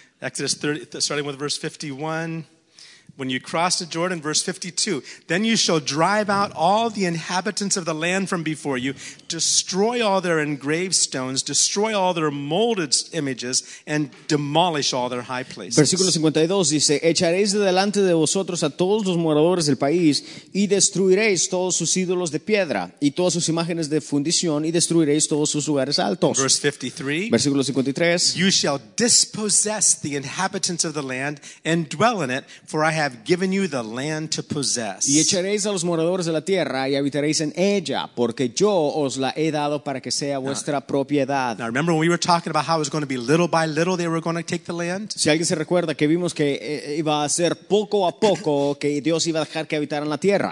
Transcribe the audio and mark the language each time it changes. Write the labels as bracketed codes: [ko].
[en] Exodus 30, starting with verse 51. When you cross the Jordan, verse 52. Then you shall drive out all the inhabitants of the land from before you, destroy all their engraved stones, destroy all their molded images, and demolish all their high places. [es] Versículo 52 dice, echaréis de delante de vosotros a todos los moradores del país, y destruiréis todos sus ídolos de piedra, y todas sus imágenes de fundición, y destruiréis todos sus lugares altos. [en] Verse 53. [es] Versículo 53. [en] You shall dispossess the inhabitants of the land, and dwell in it, for I have given you the land to possess. [es] Y echaréis a los moradores de la tierra, y habitaréis en ella, porque yo os la he dado para que sea vuestra propiedad. [en] Now remember when we were talking about how it was going to be little by little they were going to take the land? [es] Si alguien se recuerda que vimos que iba a ser poco a poco que Dios iba a dejar que habitaran la tierra.